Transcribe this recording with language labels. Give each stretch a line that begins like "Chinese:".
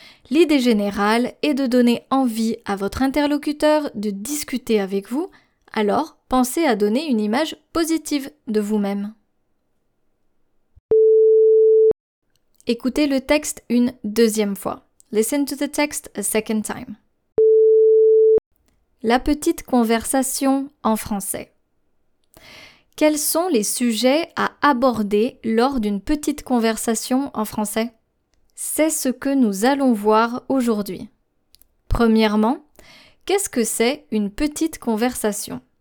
French: L'idée générale est de donner envie à votre interlocuteur de discuter avec vous, alors pensez à donner une image positive de vous-même. Écoutez le texte une deuxième fois.
English: Listen to the text a second time.
French: La petite conversation en français. Quels sont les sujets à aborder lors d'une petite conversation en français? C'est ce que nous allons voir aujourd'hui. Premièrement, qu'est-ce que c'est une petite conversation?